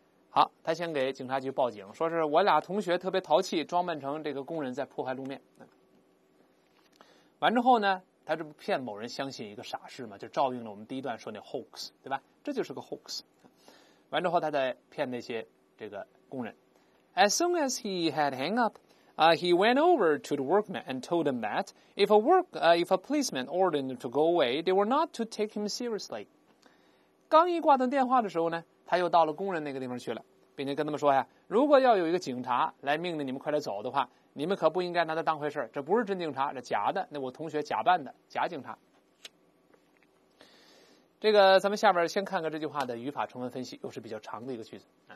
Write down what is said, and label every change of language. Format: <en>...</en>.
<zh>好，他先给警察局报警，说是我俩同学特别淘气，装扮成这个工人在破坏路面。完之后呢，他这不骗某人相信一个傻事嘛，就照应了我们第一段说那 hoax， 对吧？这就是个 hoax。完之后，他在骗那些这个工人。</zh> <en>As soon as he had hang up, he went over to the workmen and told them that if a policeman ordered them to go away, they were not to take him seriously.</en> <zh>刚一挂断电话的时候呢，他又到了工人那个地方去了，并且跟他们说呀，如果要有一个警察来命令你们快点走的话，你们可不应该拿他当回事，这不是真警察，这假的，那我同学假扮的假警察。这个咱们下边先看看这句话的语法成分分析，又是比较长的一个句子。</zh>